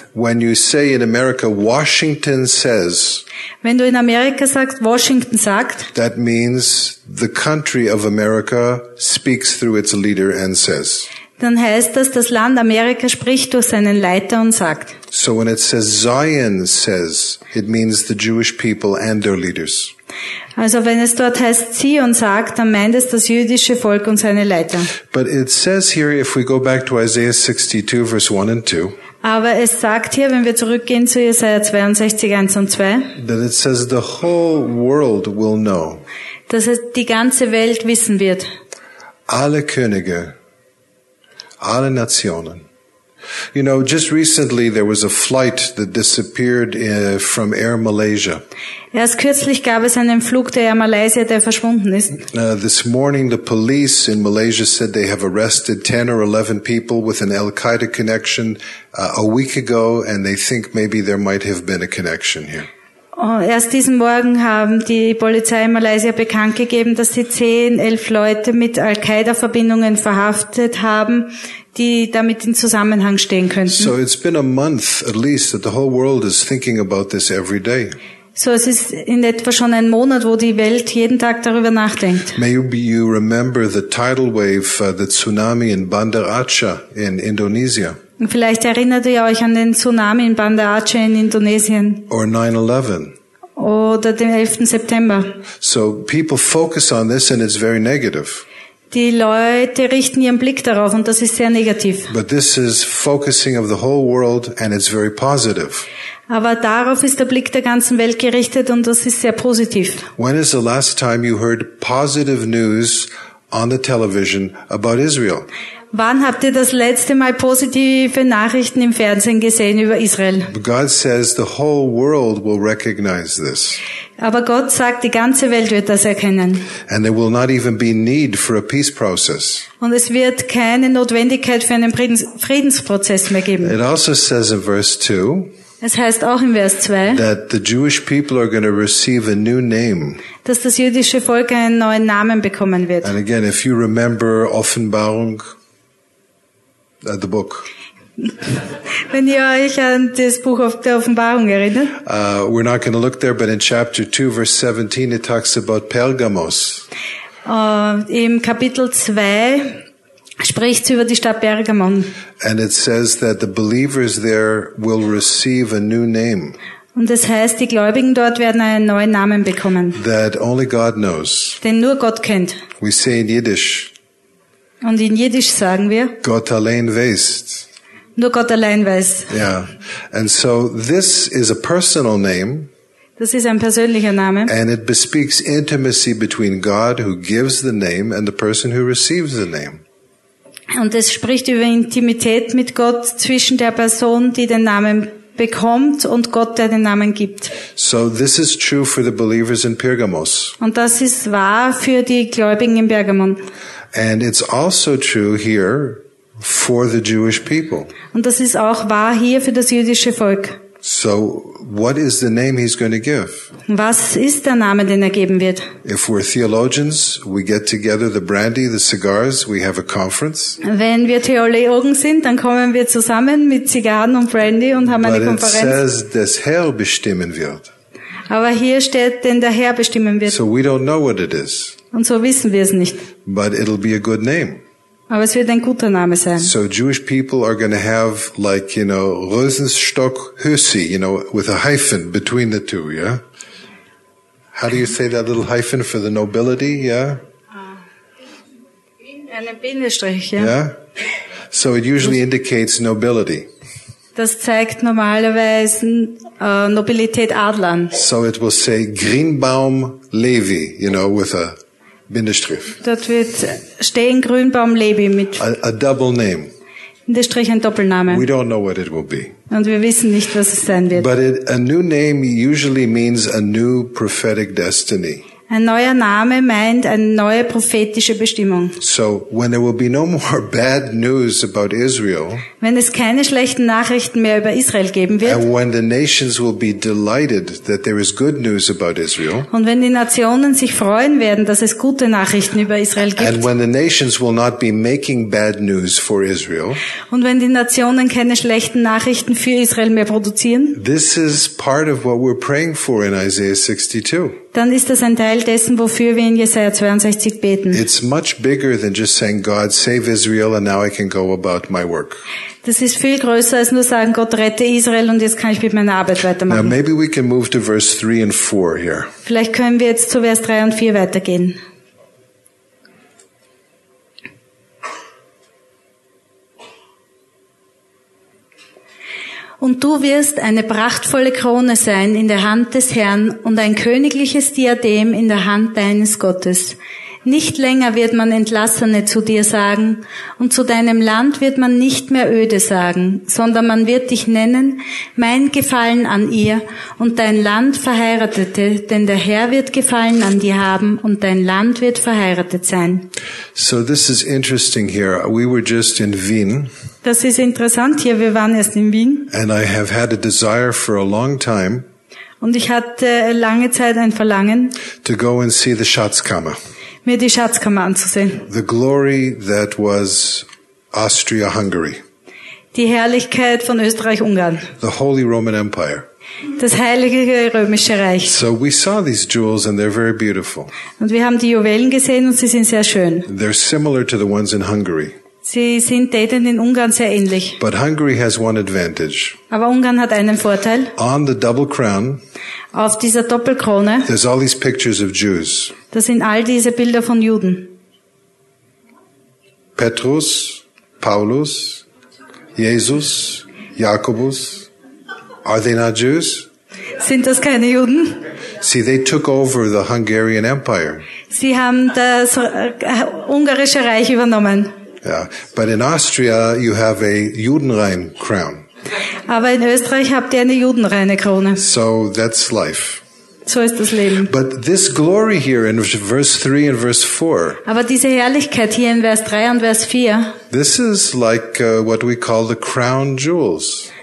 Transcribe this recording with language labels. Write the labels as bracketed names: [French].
[English] When you say in America, Washington says, [German] wenn du in Amerika sagst, Washington sagt, [English] that means the country of America speaks through its leader and says. [German] Dann heißt das, das Land Amerika spricht durch seinen Leiter und sagt. [English] So when it says Zion says, it means the Jewish people and their leaders. [German] Also wenn es dort heißt, zieh und sag, dann meint es das jüdische Volk und seine Leiter. [English] But it says here, if we go back to Isaiah 62, verse 1 and 2, [German] aber es sagt hier, wenn wir zurückgehen zu Jesaja 62, 1 und 2, [English] that it says the whole world will know, [German] dass es die ganze Welt wissen wird. Alle Könige, alle Nationen. [English] You know, just recently there was a flight that disappeared from Air Malaysia. [German] Erst kürzlich gab es einen Flug der Air Malaysia, der verschwunden ist. [English] This morning the police in Malaysia said they have arrested 10 or 11 people with an Al-Qaeda connection a week ago, and they think maybe there might have been a connection here. [German] Erst diesen Morgen haben die Polizei in Malaysia bekannt gegeben, dass sie 10, 11 Leute mit Al-Qaida-Verbindungen verhaftet haben, die damit in Zusammenhang stehen könnten. [English] So it's been a month at least that the whole world is thinking about this every day. [German] So es ist in etwa schon ein Monat, wo die Welt jeden Tag darüber nachdenkt. [English] Maybe you remember the tidal wave, the tsunami in Bandar Aceh in Indonesia. [German] Vielleicht erinnert ihr euch an den Tsunami in Bandar Aceh in Indonesien. [English] Or 9/11. [German] Oder den 11. September. [English] So people focus on this and it's very negative. [German] Die Leute richten ihren Blick darauf und das ist sehr negativ. [English] But this is focusing of the whole world and it's very positive. [German] Aber darauf ist der Blick der ganzen Welt gerichtet und das ist sehr positiv. [English] When is the last time you heard positive news on the television about Israel? [German] Wann habt ihr das letzte Mal positive Nachrichten im Fernsehen gesehen über Israel? [English] God says the whole world will recognize this. [German] Aber Gott sagt, die ganze Welt wird das erkennen. [English] And there will not even be need for a peace process. [German] Und es wird keine Notwendigkeit für einen Friedensprozess mehr geben. [English] It also says in verse 2, [German] es heißt auch in Vers 2, [English] that the Jewish people are going to receive a new name. [German] Dass das jüdische Volk einen neuen Namen bekommen wird. [English] And again, if you remember Offenbarung, the book. [German] Wenn ihr euch an das Buch der Offenbarung erinnert. [English] We're not going to look there, but in chapter 2, verse 17, it talks about Pergamos. [German] Im Kapitel 2 spricht es über die Stadt Pergamon. [English] And it says that the believers there will receive a new name. [German] Und das heißt, die Gläubigen dort werden einen neuen Namen bekommen. [English] That only God knows. [German] Den nur Gott kennt. [English] We say in Yiddish. [German] Und in Jiddisch sagen wir, Gott allein weiß. Nur Gott allein weiß. Yeah. [English] And so this is a personal name. [German] Das ist ein persönlicher Name. [English] And it bespeaks intimacy between God who gives the name and the person who receives the name. [German] Und es spricht über Intimität mit Gott zwischen der Person, die den Namen bekommt, und Gott, der den Namen gibt. [English] So this is true for the believers in Pergamos. [German] Und das ist wahr für die Gläubigen in Pergamon. [English] And it's also true here for the Jewish people. [German] Und das ist auch wahr hier für das jüdische Volk. [English] So what is the name he's going to give? [German] Was ist der Name, den geben wird? [English] If we're theologians, we get together the brandy, the cigars, we have a conference. [German] Wenn wir Theologen sind, dann kommen wir zusammen mit Zigarren und Brandy und haben [English] but [German] eine Konferenz. [English] But it says [German] das Herr bestimmen wird. Aber hier steht, denn der Herr bestimmen wird. [English] So we don't know what it is. [German] Und so wissen wir es nicht. [English] But it'll be a good name. [German] Aber es wird ein guter Name sein. [English] So Jewish people are going to have like, you know, Rosenstock Hüssi, you know, with a hyphen between the two, yeah? How do you say that little hyphen for the nobility, yeah? [German] Eine Bindestrich, ja. Yeah? [English] So it usually indicates nobility. [German] Das zeigt normalerweise Nobilität, Adlern. [English] So it will say Greenbaum Levi, you know, with a Bindestrich. [German] Dort wird stehen Grünbaum Levi mit [English] a double name. [German] Bindestrich, ein Doppelname. [English] We don't know what it will be. [German] Und wir wissen nicht, was es sein wird. [English] But a new name usually means a new prophetic destiny. [German] Ein neuer Name meint eine neue prophetische Bestimmung. [English] So when there will be no more bad news about Israel, [German] wenn es keine schlechten Nachrichten mehr über Israel geben wird, [English] and when the nations will be delighted that there is good news about Israel, [German] und wenn die Nationen sich freuen werden, dass es gute Nachrichten über Israel gibt, [English] and when the nations will not be making bad news for Israel, [German] und wenn die Nationen keine schlechten Nachrichten für Israel mehr produzieren, [English] this is part of what we're praying for in Isaiah 62. [German] dann ist das ein Teil dessen, wofür wir in Jesaja 62 beten. [English] It's much bigger than just saying, God, save Israel and now I can go about my work. [German] Das ist viel größer als nur sagen, Gott rette Israel und jetzt kann ich mit meiner Arbeit weitermachen. [English] Now maybe we can move to verse 3 and 4 here. [German] Vielleicht können wir jetzt zu Vers 3 und 4 weitergehen. Und du wirst eine prachtvolle Krone sein in der Hand des Herrn und ein königliches Diadem in der Hand deines Gottes. Nicht länger wird man Entlassene zu dir sagen und zu deinem Land wird man nicht mehr öde sagen, sondern man wird dich nennen, mein Gefallen an ihr und dein Land Verheiratete, denn der Herr wird Gefallen an dir haben und dein Land wird verheiratet sein. [English] So this is interesting here. We were just in Wien. [German] Das ist interessant hier, wir waren erst in Wien. [English] And I have had a desire for a long time. [German] Und ich hatte lange Zeit ein Verlangen, [English] to go and see the Schatzkammer. [German] Mir die Schatzkammer anzusehen. [English] The glory that was Austria-Hungary. [German] Die Herrlichkeit von Österreich-Ungarn. [English] The Holy Roman Empire. [German] Das Heilige Römische Reich. [English] So we saw these jewels and they're very beautiful. [German] Und wir haben die Juwelen gesehen und sie sind sehr schön. [English] They're similar to the ones in Hungary. [German] Sie sind denen in Ungarn sehr ähnlich. [English] But Hungary has one advantage. [German] Aber Ungarn hat einen Vorteil. [English] On the double crown, [German] auf dieser Doppelkrone, [English] there's all these pictures of Jews. [German] Da sind all diese Bilder von Juden. [English] Petrus, Paulus, Jesus, Jakobus, are they not Jews? [German] Sind das keine Juden? [English] See, they took over the Hungarian Empire. [German] Sie haben das Ungarische Reich übernommen. [English] Yeah, but in Austria you have a Judenrein crown. [German] Aber in Österreich habt ihr eine Judenreine Krone. [English] So that's life. [German] So ist das Leben. [English] But this glory here in verse 3 and verse 4. [German] Aber diese Herrlichkeit hier in Vers 3 und Vers 4. [English] This is like what we call the crown jewels.